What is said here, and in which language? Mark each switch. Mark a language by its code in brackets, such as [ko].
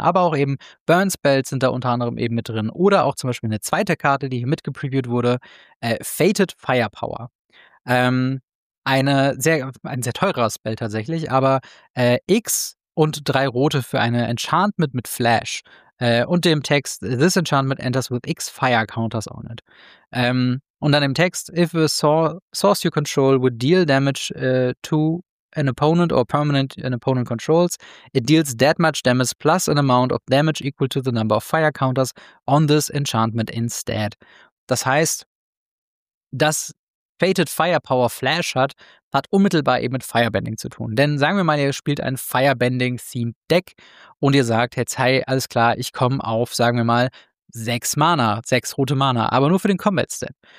[de] Aber auch eben Burn Spells sind da unter anderem eben mit drin. Oder auch zum Beispiel eine zweite Karte, die hier mitgepreviewt wurde, Fated Firepower. Ein sehr teurer Spell tatsächlich, aber X und 3 rote für eine Enchantment mit Flash. Und dem Text, [en] this enchantment enters with X fire counters on it. [de] Und dann im Text, [en] if a source you control would deal damage to an opponent or permanent an opponent controls, it deals that much damage plus an amount of damage equal to the number of fire counters on this enchantment instead. [de] Das heißt, dass Fated Firepower Flash hat unmittelbar eben mit Firebending zu tun. Denn sagen wir mal, ihr spielt ein Firebending-themed Deck und ihr sagt, jetzt, hey, alles klar, ich komme auf, sagen wir mal, 6 rote Mana, aber nur für den Combat-Step.